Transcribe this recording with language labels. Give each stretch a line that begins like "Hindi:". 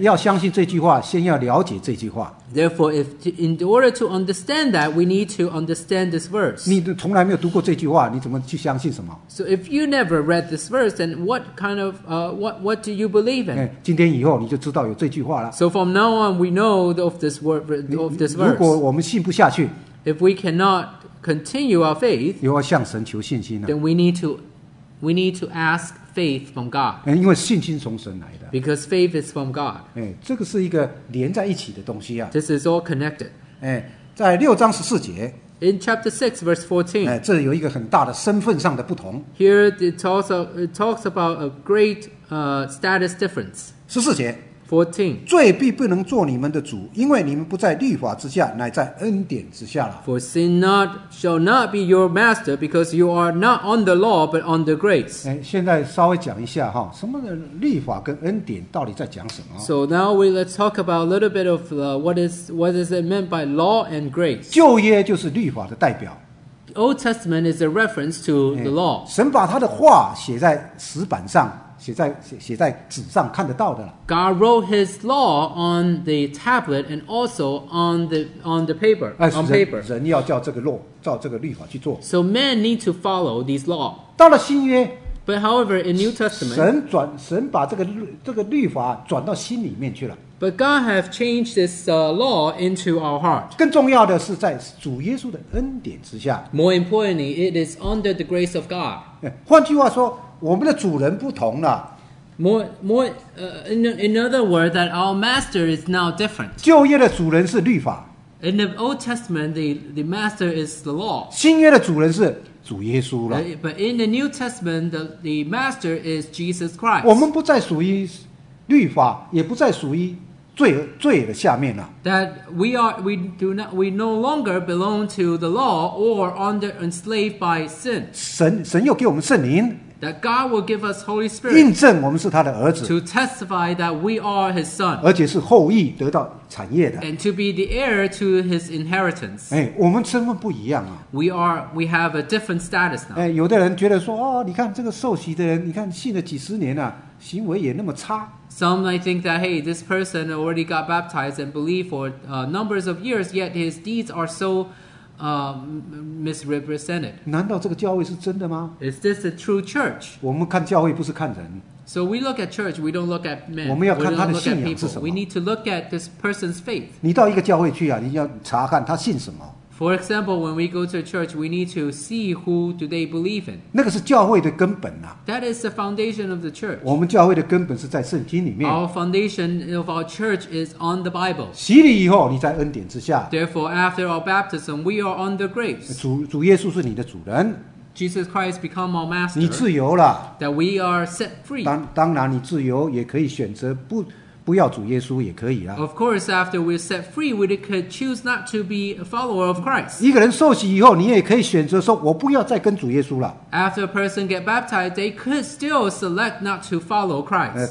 Chinese: 要相信这句话，先要了解这句话。
English: Therefore, in order to understand that, we need to understand this verse.
Chinese: 你从来没有读过这句话，你怎么去相信什么？
English: So if you never read this verse, then what kind of, what do you believe in?
Chinese: 今天以后你就知道有这句话了。
English: So from now on, we know of this word, of this verse.
Chinese: 如果我们信不下去，
English: if we cannot continue our faith,
Chinese: 又要向神求信心了。
English: Then we need to ask. Faith from God.
Chinese: 因为信心从神来的。
English: Because faith is from God.
Chinese: 这个是一个连在一起的东西啊。
English: This is all connected.
Chinese: 在六章十四节。
English: In chapter 6 verse 14.
Chinese: 这有一个很大的身份上的不同。
English: Here it talks about a great status difference.
Chinese: 十四节。
English: 14.
Chinese: 罪必不能做你们的主，因为你们不在律法之下，乃在恩典之下了。
English: For sin not shall not be your master, because you are not on the law, but on the grace.
Chinese: 现在稍微讲一下哈，什么的律法跟恩典到底在讲什么
English: ？So now we let's talk about a little bit of what is it meant by law and grace.
Chinese: 旧约就是律法的代表。
English: Old Testament is a reference to the law.
Chinese: 神把他的话写在石板上。写在纸上看得到的了。
English: God wrote His law on the tablet and also on the paper. On paper.
Chinese: 人要照这个law，照这个律法去做。
English: So men need to follow these law.
Chinese: 到了新约。
English: But however, in New Testament,
Chinese: 神把这个律法转到心里面去了。
English: But God have changed this law into our heart.
Chinese: 更重要的是在主耶稣的恩典之下。
English: More importantly, it is under the grace of God.
Chinese: 换句话说。我们的主人不同了。
English: In other words, that our master is now different.
Chinese: 旧约的主人是律法。
English: In the Old Testament, the master is the law.
Chinese: 新约的主人是主耶稣了。
English: But in the New Testament, the master is Jesus Christ.
Chinese: 我们不再属于律法，也不再属于罪的下面了。
English: That we no longer belong to the law or under enslaved by sin.
Chinese: 神又给我们圣灵。
English: That God will give us Holy Spirit.
Chinese: 印证我们是他的儿子。
English: To testify that we are His son.
Chinese: 而且是后裔得到产业的。
English: And to be the heir to His inheritance.
Chinese: 哎，我们身份不一样啊。
English: We have a different status now.
Chinese: 哎，有的人觉得说，哦，你看这个受洗的人，你看信了几十年了，行为也那么差。
English: Some might think that, hey, this person already got baptized and believed for numbers of years, yet his deeds are so misrepresented.
Chinese: 难道这个教会是真的吗?
English: Is this a true church?
Chinese: 我们看教会不是看人。
English: So we look at church, we don't look at men.
Chinese: 我们要看他的信仰是什么。
English: We need to look at this person's faith.
Chinese: 你到一个教会去啊，你要查看他信什么。
English: For example, when we go to a church, we need to see who do they believe in.
Chinese: 那个是教会的根本啊。
English: That is the foundation of the church.
Chinese: 我们教会的根本是在圣经里面。
English: Our foundation of our church is on the Bible.
Chinese: 洗礼以后，你在恩典之下。
English: Therefore, after our baptism, we are under grace.
Chinese: 主耶稣是你的主人。
English: Jesus Christ become our master.
Chinese: 你自由了。
English: That we are set free.
Chinese: 当然你自由也可以选择不要主耶稣也可以啊。
English: Of course, after we're set free, we could choose not to be a follower of Christ.
Chinese: 一个人受洗以后，你也可以选择说，我不要再跟主耶稣了。
English: After a person get baptized, they could still select not to follow Christ.